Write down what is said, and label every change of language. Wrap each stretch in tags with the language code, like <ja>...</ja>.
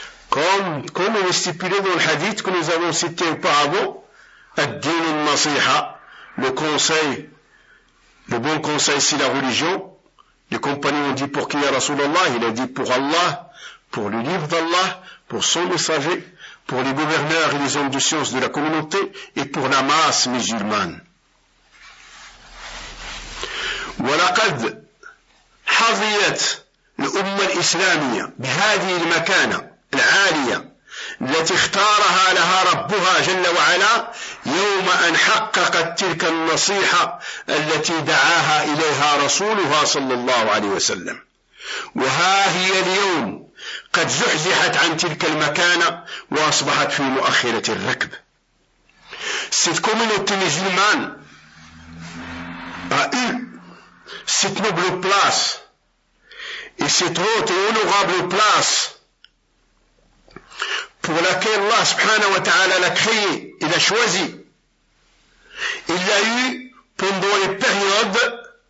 <fr>Comme il est stipulé dans le hadith que nous avons cité auparavant,</fr> <ar>ad-din al-nasiha,</ar> <fr>le conseil, le bon conseil c'est la religion. Les compagnons ont dit pour qui,</fr> <ar>ya Rasulallah?</ar> <fr>Il a dit pour Allah, pour le livre d'Allah, pour son messager, pour les gouverneurs et les hommes de science de la communauté et pour la masse musulmane.</fr> <ar>ولقد حظيت الأمة الإسلامية بهذه المكانة العالية التي اختارها لها ربها جل وعلا يوم أن حققت تلك النصيحة التي دعاها إليها رسولها صلى الله عليه وسلم. وها هي اليوم قد زحزحت عن تلك المكانة وأصبحت في مؤخرة الركب.</ar> <fr>Cette communauté musulmane a eu cette noble place et cette haute et honorable place pour laquelle Allah subhanahu wa ta'ala l'a créé et l'a choisi. Il l'a eu pendant les périodes</fr>